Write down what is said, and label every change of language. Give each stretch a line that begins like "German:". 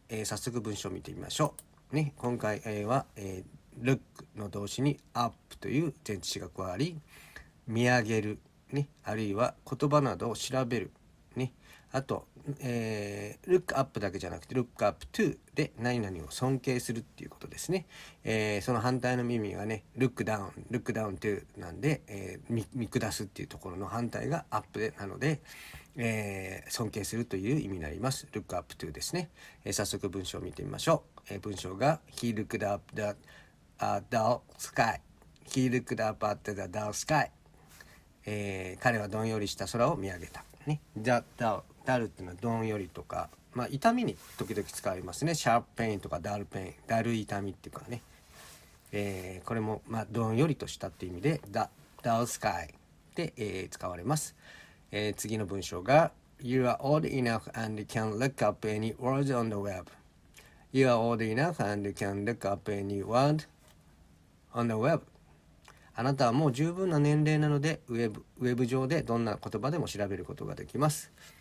Japanese: 早速文章を見てみましょう、ね、今回は、look の動詞に up という前置詞が加わり、見上げる、ね、あるいは言葉などを調べる、ね、あと、look up だけじゃなくて
English: look up to
Japanese: で何々を尊敬するっていうことですね。その反対の意味がね、
English: look down to
Japanese: なんで、見下すっていうところの反対が up で、なので、尊敬するという意味になります。
English: look up to
Japanese: ですね。早速文章を見てみましょう。文章が
English: He looked up at the dark sky. He looked up at the dark sky.
Japanese: 彼はどんよりした空を見上げた。ね、ダルっていうのはどんよりとか、まあ、痛みに時々使われますね。シャープペインとかダルペイン、だる痛みっていうかね、これも、まあ、どんよりとしたっていう意味でダルスカイで、使われます。次の文章が
English: You are old enough and can look up any word on the web. You are old enough and can look up any word on the web.
Japanese: あなたはもう十分な年齢なので、ウェブ上でどんな言葉でも調べることができます。